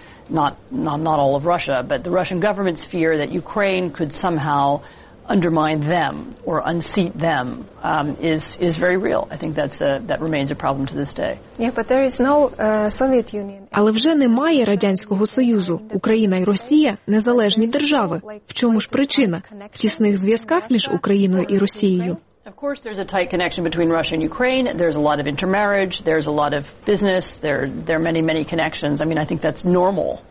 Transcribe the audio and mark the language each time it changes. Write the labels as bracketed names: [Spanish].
[English] Not all of Russia, but the Russian government's fear that Ukraine could somehow undermine them or unseat them is very real. I think that remains a problem to this day. Yeah, but there is no Soviet Union. [Ukrainian] Але вже немає Радянського Союзу. Україна і Росія незалежні держави. В чому ж причина? В тісних зв'язках між Україною і Росією. [English] Of course there's a tight connection between Russia and Ukraine. There's a lot of intermarriage, there's a lot of business, there are many connections. I mean, I think that's normal.